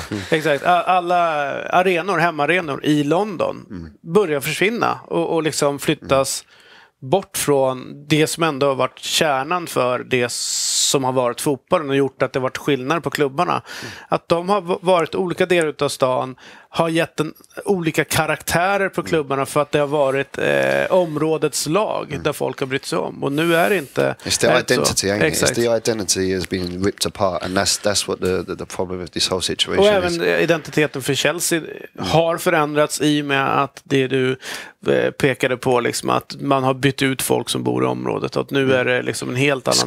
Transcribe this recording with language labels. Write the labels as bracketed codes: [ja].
[sv] Exakt, alla arenor, hemmaarenor i London börjar försvinna och liksom flyttas bort från det som ändå har varit kärnan för det som har varit fotbollen och gjort att det har varit skillnad på klubbarna. Att de har varit olika delar utav stan, har gett en, olika karaktärer på klubbarna för att det har varit områdets lag där folk har brytt sig om. Och nu är det inte... [en] It's the identity, ain't it? It's the identity has been ripped apart and that's what the problem with this whole situation is. [sv] Och även identiteten för Chelsea har förändrats i och med att det du pekade på, liksom, att man har bytt ut folk som bor i området och att nu är det liksom en helt annan